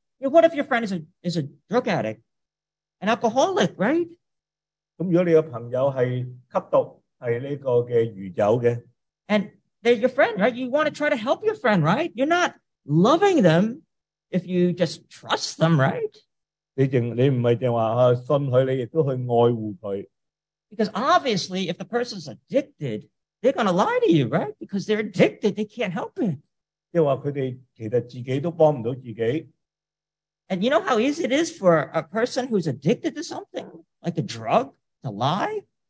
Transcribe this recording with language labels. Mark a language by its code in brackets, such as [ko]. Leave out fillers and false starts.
[en] What if your friend is a drug addict? An alcoholic, right? [zh] 如果你的朋友是吸毒,是这个的余酒的。 [en] And they're your friend, right? You want to try to help your friend, right? You're not loving them if you just trust them, right? [zh] 你不是说信他,你也去爱护他。 [en] Because obviously, if the person's addicted, they're going to lie to you, right? Because they're addicted, they can't help it. [zh] 即是说他们其实自己都帮不了自己。 [en] And you know how easy it is for a person who's addicted to something, like a drug, to lie?